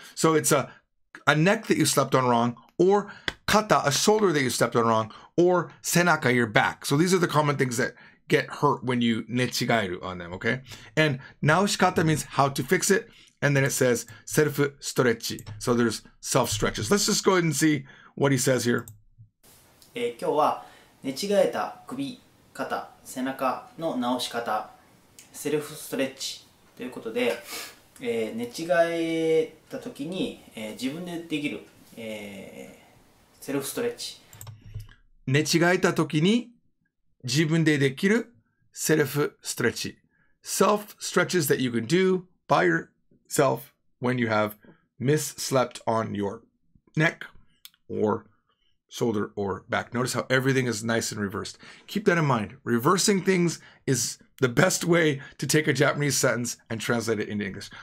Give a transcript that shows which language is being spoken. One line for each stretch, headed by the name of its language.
English: So it's a neck that you slept on wrong, or 肩, a shoulder that you slept on wrong, or 背中, your back. So these are the common things that get hurt when you 寝違えるon them. Okay. And 直し方 means how to fix it. And then it says self stretch. So there's self stretches. Let's just go ahead and see what he says here.
Japanese: 今日は寝違えた首、肩、背中の直し方、セルフストレッチということで、寝違えた時に、自分でできる、セルフストレッチ。寝違えた時に自分でできるセルフストレッチ。
English: Self stretches that you can do by yourself when you have misslept on your neck or shoulder or back. Notice how everything is nice and reversed. Keep that in mind. Reversing things is the best way to take a Japanese sentence and translate it into English.